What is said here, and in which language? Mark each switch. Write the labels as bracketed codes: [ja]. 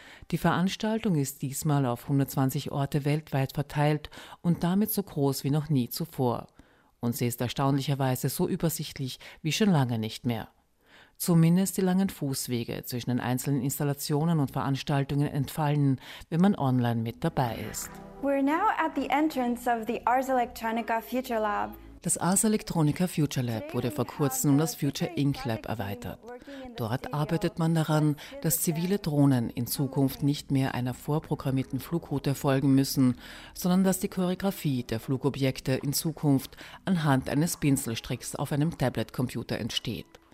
[de] Die Veranstaltung ist diesmal auf 120 Orte weltweit verteilt und damit so groß wie noch nie zuvor. Und sie ist erstaunlicherweise so übersichtlich wie schon lange nicht mehr. Zumindest die langen Fußwege zwischen den einzelnen Installationen und Veranstaltungen entfallen, wenn man online mit dabei ist. [en] We're now at the entrance of the Ars Electronica Future Lab. [de] Das Ars Electronica Future Lab wurde vor kurzem um das Future Inc. Lab erweitert. Dort arbeitet man daran, dass zivile Drohnen in Zukunft nicht mehr einer vorprogrammierten Flugroute folgen müssen, sondern dass die Choreografie der Flugobjekte in Zukunft anhand eines Pinselstricks auf einem Tablet-Computer entsteht.